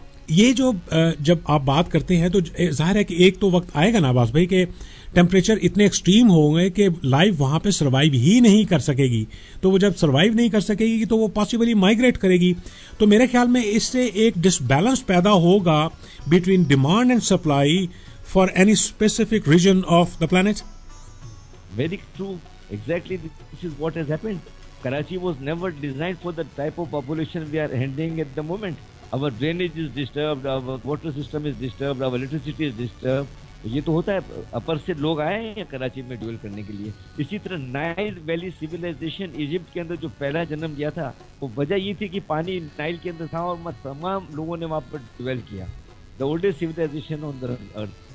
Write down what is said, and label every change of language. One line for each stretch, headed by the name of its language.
Hindi: ये जो जब आप बात करते हैं तो जाहिर है कि एक तो वक्त आएगा ना आवाज भाई कि टेम्परेचर इतने एक्सट्रीम होंगे कि लाइफ वहां पे सर्वाइव ही नहीं कर सकेगी, तो वो जब सर्वाइव नहीं कर सकेगी तो वो पॉसिबली माइग्रेट करेगी। तो मेरे ख्याल में इससे एक डिसबैलेंस पैदा होगा
English: Between demand and supply for any specific region of the planet. Very true, exactly this is what has happened. Karachi was never designed for the type of population we are handling at the moment. Our drainage is disturbed, our water system is disturbed, our electricity is disturbed.
Hindi: ये तो होता है, अपर से लोग आए हैं कराची में dual करने के लिए. इसी तरह नाइल वैली सिविलाइजेशन इजिप्ट के अंदर जो पहला जन्म लिया था, वो वजह ये थी कि पानी नाइल के अंदर था और तमाम लोगों ने वहां पर ड्यूल किया.
English: The oldest civilisation on the earth.